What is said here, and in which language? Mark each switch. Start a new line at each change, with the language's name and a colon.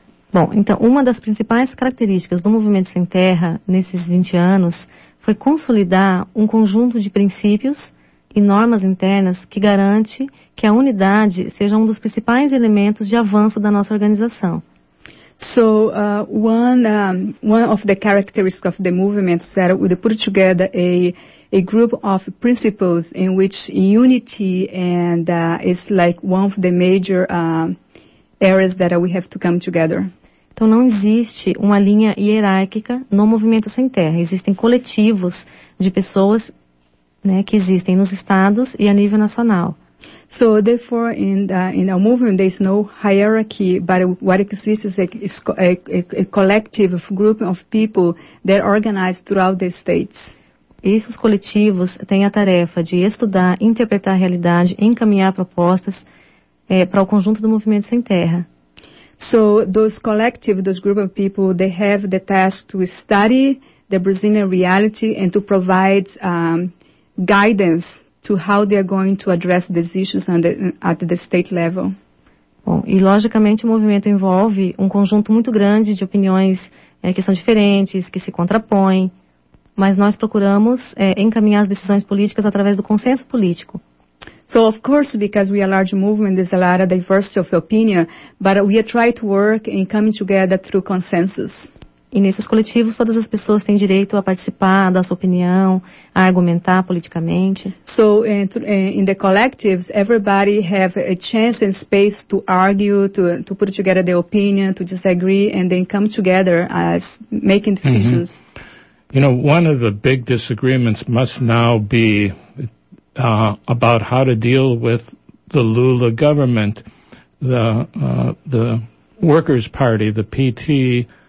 Portuguese: Bom, então, uma das principais características do Movimento Sem Terra nesses 20 anos foi consolidar um conjunto de princípios e normas internas que garante que a unidade seja um dos principais elementos de avanço da nossa organização.
English: So, one of the characteristics of the movement is that we put together a group of principles in which unity and is like one of the major areas that we have to come together.
Portuguese: Então, não existe uma linha hierárquica no Movimento Sem Terra. Existem coletivos de pessoas que existem nos estados e a nível nacional.
English: So therefore, in our movement, there is no hierarchy, but what exists is a collective group of people that organize throughout the states.
Portuguese: Esses coletivos têm a tarefa de estudar, interpretar a realidade, encaminhar propostas para o conjunto do Movimento Sem Terra.
English: So those collective, those group of people, they have the task to study the Brazilian reality and to provide guidance to how they are going to address these issues at the state level.
Portuguese: Bom, e logicamente o movimento envolve um conjunto muito grande de opiniões que são diferentes, que se contrapõem, mas nós procuramos encaminhar as decisões políticas através do consenso político.
English: So of course, because we are a large movement, there's a lot of diversity of opinion, but we are trying to work in coming together through consensus.
Portuguese: E nesses coletivos, todas as pessoas têm direito a participar, a dar sua opinião, a argumentar politicamente.
English: So, in the collectives, everybody have a chance and space to argue, to put together their opinion, to disagree, and then come together as making decisions. Mm-hmm. You know, one of the big disagreements must now be about how to deal with the Lula government, the Workers' Party, the PT,